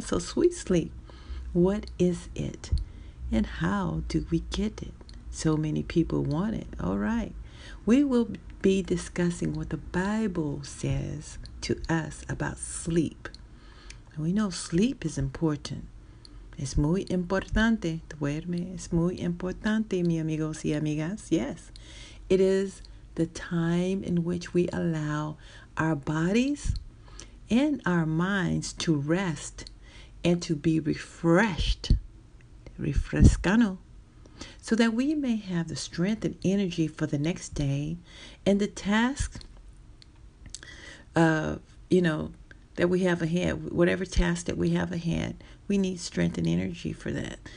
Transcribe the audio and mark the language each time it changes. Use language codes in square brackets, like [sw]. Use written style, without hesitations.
[en] So sweet sleep, what is it and how do we get it? So many people want it. All right. We will be discussing what the Bible says to us about sleep. We know sleep is important. [es] Es muy importante. Duerme. Es muy importante, mi amigos y amigas. [en] Yes. It is the time in which we allow our bodies and our minds to rest and to be refreshed, refrescano, so that we may have the strength and energy for the next day and the task of, you know, that we have ahead, whatever task that we have ahead, we need strength and energy for that.